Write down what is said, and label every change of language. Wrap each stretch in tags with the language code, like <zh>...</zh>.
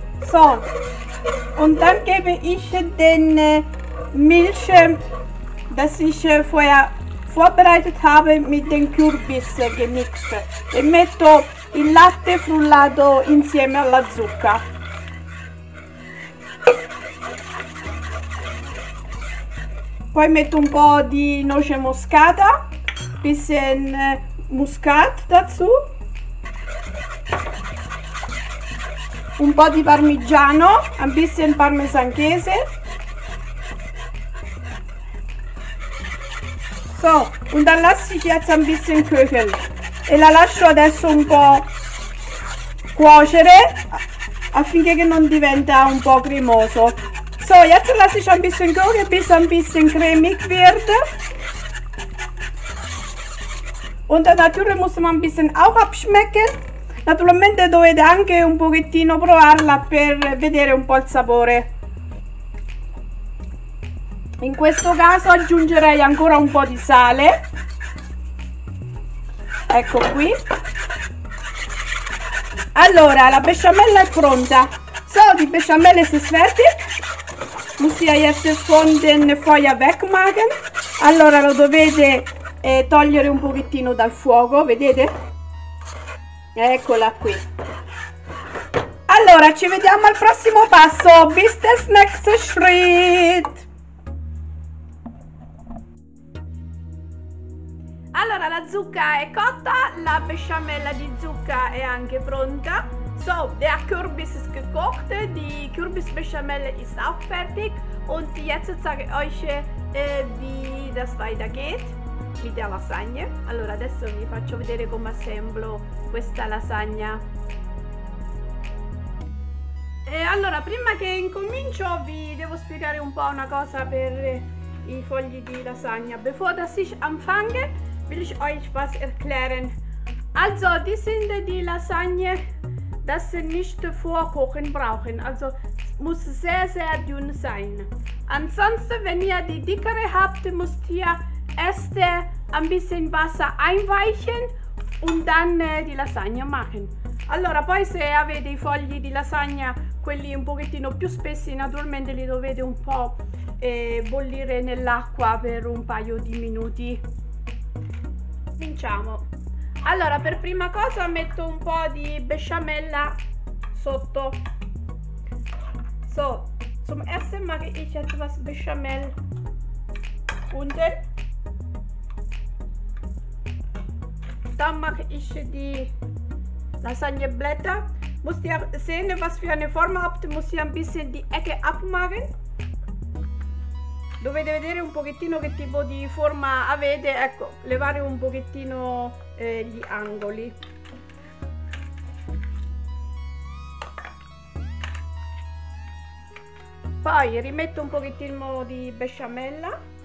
<de>So, und dann gebe ich den Milch, das ich vorher vorbereitet habe, mit dem Kürbis gemixt.</de> <it>E metto il latte frullato insieme alla zucca. Poi metto un po' di noce moscata, bisschen muscat dazu. Un po' di parmigiano, un bisschen parmesanchese.</it> <de>So, und dann lasse ich jetzt ein bisschen köcheln.</de> <it>E la lascio adesso un po' cuocere, affinché che non diventa un po' cremoso.</it> <de>So, jetzt lasse ich ein bisschen köcheln, bis ein bisschen cremig wird. Und natürlich muss man ein bisschen auch abschmecken.</de> <it>Naturalmente dovete anche un pochettino provarla per vedere un po' il sapore. In questo caso aggiungerei ancora un po' di sale. Ecco qui. Allora, la besciamella è pronta.</it> <de>So, die besciamella ist fertig. Muss sie jetzt von den Feuer wegmachen.</de> <it>Allora, lo dovete togliere un pochettino dal fuoco, vedete? Eccola qui. Allora, ci vediamo al prossimo passo.</it> <de>Bis das nächste Schritt.</de> <it>Allora, la zucca è cotta, la besciamella di zucca è anche pronta.</it> <de>So, der Kürbis ist gekocht, die Kürbisbechamelle ist auch fertig. Und jetzt zeige ich euch wie das weitergeht. Mit der Lasagne.</de> <it>Allora, adesso vi faccio vedere come assemblo questa lasagna. E allora, prima che incomincio, vi devo spiegare un po' una cosa per i fogli di lasagna.</it> <de>Bevor das ich anfange, will ich euch was erklären. Also, die sind die Lasagne, das sie nicht vorkochen brauchen. Also, muss sehr, sehr dünn sein. Ansonsten, wenn ihr die dickere habt, müsst ihr erst ein bisschen Wasser einweichen und dann die Lasagne machen.</de> <it>Allora, poi se avete i fogli di lasagna, quelli un pochettino più spessi, naturalmente li dovete un po' bollire nell'acqua per un paio di minuti. Cominciamo. Allora, per prima cosa metto un po' di besciamella sotto.</it> <de>So, zum ersten mache ich etwas Bechamel unten. Dann mache ich die Lasagneblätter. Müsst ihr sehen, was für eine Form habt, müsst ihr ein bisschen die Ecke abmachen.</de> <it>Dovete vedere un pochettino che tipo di forma avete. Ecco, levare un pochettino gli angoli. Poi rimetto un pochettino di besciamella.</it>